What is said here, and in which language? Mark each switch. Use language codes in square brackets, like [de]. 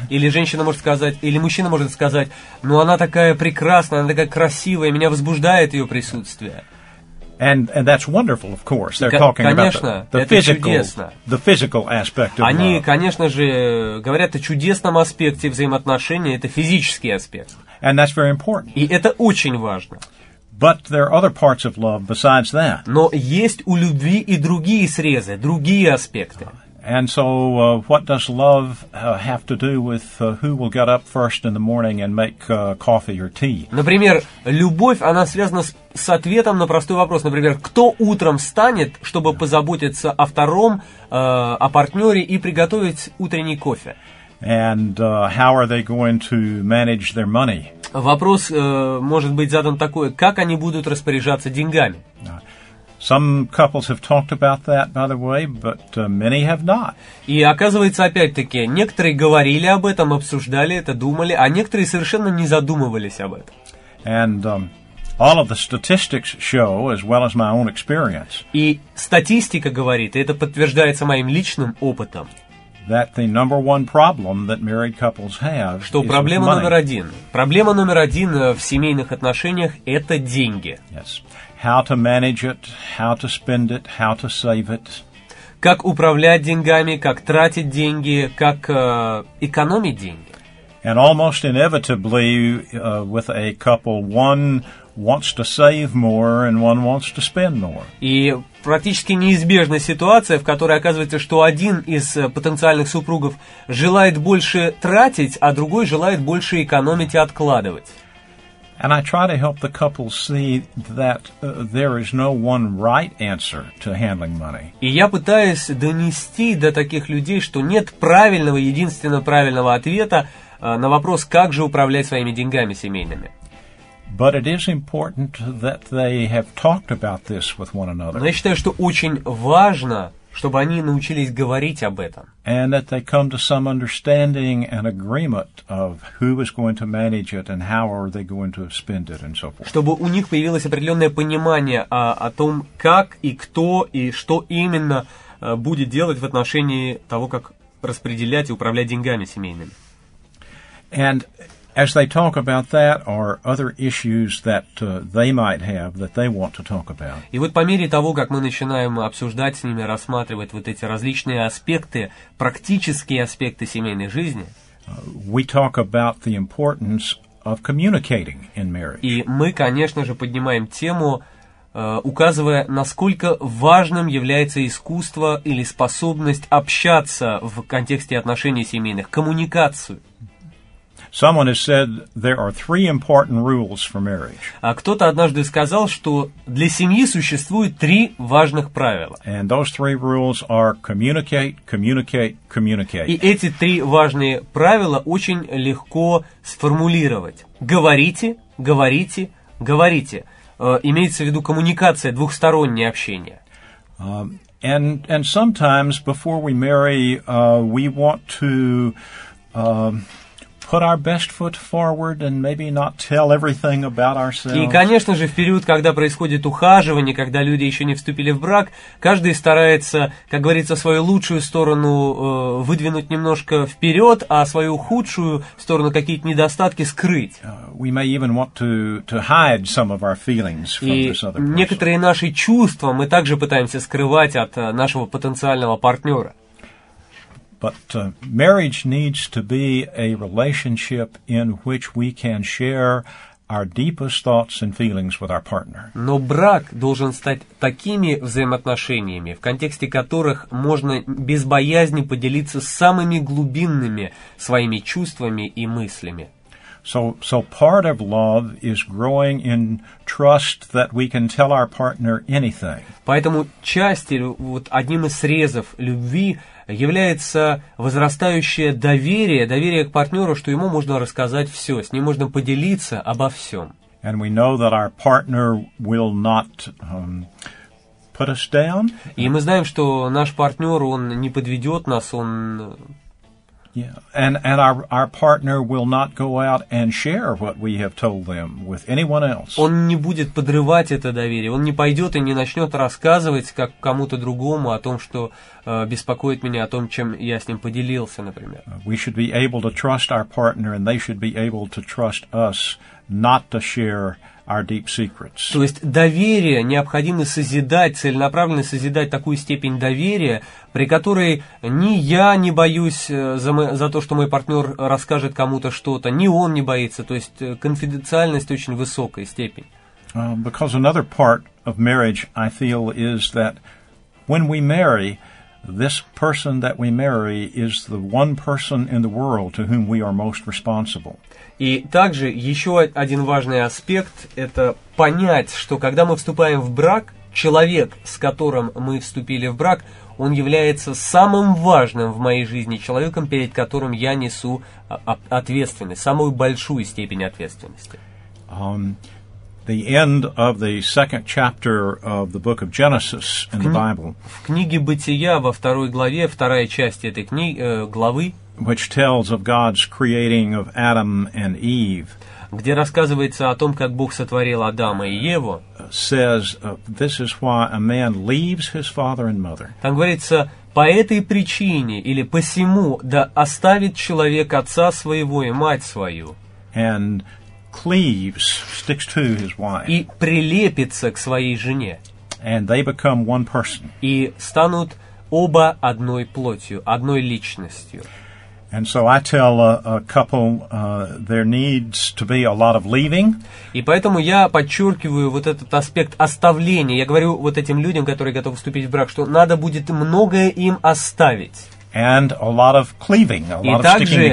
[ru] Или женщина может сказать, или мужчина может сказать, ну она такая прекрасная, она такая красивая, меня возбуждает ее присутствие. [en] And that's wonderful, of course. They're talking [ru] конечно, [en] about the physical aspect of love. [ru] Они, конечно же, говорят о чудесном аспекте взаимоотношений, это физический аспект. [en] And that's very important. [ru] И это очень важно. [en] But there are other parts of love besides that. [ru] Но есть у любви и другие срезы, другие аспекты. [en] And so, what does love have to do with who will get up first in the morning and make coffee or tea? [ru] Например, любовь, она связана с ответом на простой вопрос. Например, кто утром встанет, чтобы позаботиться о втором, о партнере и приготовить утренний кофе? [en] And how are they going to manage their money? [ru] Вопрос может быть задан такой, как они будут распоряжаться деньгами? [en] Some couples have talked about that, by the way, but many have not. [ru] И оказывается, опять-таки, некоторые говорили об этом, обсуждали это, думали, а некоторые совершенно не задумывались об этом. [en] And all of the statistics show, as well as my own experience. [ru] И статистика говорит, и это подтверждается моим личным опытом. [en] That the number one problem that married couples have. [ru] Что проблема номер один? Проблема номер один в семейных отношениях – это деньги. [en] Yes. How to manage it, how to spend it, how to save it. [ru] Как управлять деньгами, как тратить деньги, как экономить деньги. [en] And almost inevitably, with a couple, one wants to save more and one wants to spend more. [ru] И практически неизбежна ситуация, в которой оказывается, что один из потенциальных супругов желает больше тратить, а другой желает больше экономить и откладывать. [en] And I try to help the couple see that there is no one right answer to handling money. [ru] И я пытаюсь донести до таких людей, что нет правильного, единственно правильного ответа на вопрос, как же управлять своими деньгами семейными. [en] But it is important that they have talked about this with one another. [ru] Я считаю, что очень важно, чтобы они научились говорить об этом. [en] And that they come to some understanding and agreement of who is going to manage it and how are they going to spend it and so forth. [ru] Чтобы у них появилось определенное понимание о том, как и кто и что именно будет делать в отношении того, как распределять и управлять деньгами семейными. [en] And as they talk about that, or other issues that they might have that they want to talk about. [ru] И вот по мере того, как мы начинаем обсуждать с ними, рассматривать вот эти различные аспекты, практические аспекты семейной жизни, [en] we talk about the importance of communicating in marriage. [ru] И мы, конечно же, поднимаем тему, указывая, насколько важным является искусство или способность общаться в контексте отношений семейных, коммуникацию. [en] Someone has said there are three important rules for marriage. [ru] А кто-то однажды сказал, что для семьи существует три важных правила. [en] And those three rules are communicate, communicate, communicate. [ru] И эти три важные правила очень легко сформулировать. Говорите, говорите, говорите. Имеется в виду коммуникация, двухстороннее общение. [en] And sometimes before we marry, we want to put our best foot forward and maybe not tell everything about ourselves. [ru] И, конечно же, в период, когда происходит ухаживание, когда люди еще не вступили в брак, каждый старается, как говорится, свою лучшую сторону выдвинуть немножко вперед, а свою худшую сторону, какие-то недостатки, скрыть. [en] We may even want to hide some of our feelings from this other person. [ru] И некоторые наши чувства мы также пытаемся скрывать от нашего потенциального партнера. [en] But marriage needs to be a relationship in which we can share our deepest thoughts and feelings with our partner. [ru] Но брак должен стать такими взаимоотношениями, в контексте которых можно без боязни поделиться самыми глубинными своими чувствами и мыслями. [en] So part of love is growing in trust that we can tell our partner anything. [ru] Поэтому часть, вот одним из срезов любви является возрастающее доверие, доверие к партнеру, что ему можно рассказать все, с ним можно поделиться обо всем. [en] And we know that our partner will not put us down. [ru] И мы знаем, что наш партнер, он не подведет нас, он... [en] Yeah. And our partner will not go out and share what we have told them with anyone else. [ru] Он не будет подрывать это доверие. Он не пойдет и не начнет рассказывать как кому-то другому о том, что беспокоит меня, о том, чем я с ним поделился, например. [en] We should be able to trust our partner, and they should be able to trust us not to share our deep secrets. [ru] То есть доверие необходимо созидать, целенаправленно созидать такую степень доверия, при которой ни я не боюсь за то, что мой партнер расскажет кому-то что-то, ни он не боится. То есть конфиденциальность очень высокая степень. [en] Because another part of marriage, I feel, is that when we marry, this person that we marry is the one person in the world to whom we are most responsible. [ru] И также еще один важный аспект – это понять, что когда мы вступаем в брак, человек, с которым мы вступили в брак, он является самым важным в моей жизни, человеком, перед которым я несу ответственность, самую большую степень ответственности. [en] The end of the second chapter of the book of Genesis in the Bible. [ru] В книге Бытия, во второй главе, вторая часть этой главы, [en] which tells of God's creating of Adam and Eve. [ru] Где рассказывается о том, как Бог сотворил Адама и Еву. [en] Says this is why a man leaves his father and mother. [ru] Там говорится, по этой причине или посему да оставит человек отца своего и мать свою. [en] And cleaves, sticks to his wife. [ru] И прилепится к своей жене. [en] And they become one person. [ru] И станут оба одной плотью, одной личностью. [en] And so I tell a couple there needs to be a lot of leaving. [ru] И поэтому я подчеркиваю вот этот аспект оставления. Я говорю вот этим людям, которые готовы вступить в брак, что надо будет многое им оставить. [en] and a lot of cleaving, a lot of sticking